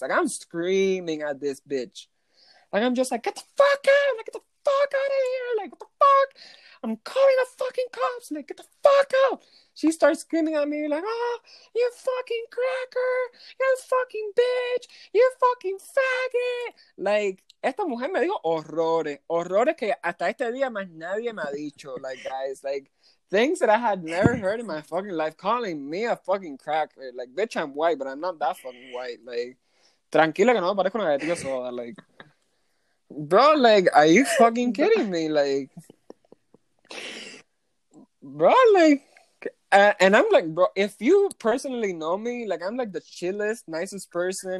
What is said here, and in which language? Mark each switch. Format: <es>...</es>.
<en>Like, I'm screaming at this bitch. Like, I'm just like, get the fuck out. Like, get the fuck out of here. Like, what the fuck? I'm calling the fucking cops. Like, get the fuck out. She starts screaming at me like, oh, you fucking cracker. You fucking bitch. You fucking faggot. Like,</en> <es>esta mujer me dijo horrores. Horrores que hasta este día más nadie me ha dicho.</es> <en>Like, guys, like, things that I had never heard in my fucking life. Calling me a fucking cracker. Like, bitch, I'm white, but I'm not that fucking white. Like,</en> <es>tranquila que no me parezco una gatilla soda.</es> <en>Like, bro, like, are you fucking kidding me? Like, bro, like, and I'm like, bro, if you personally know me, like, I'm like the chillest, nicest person.</en>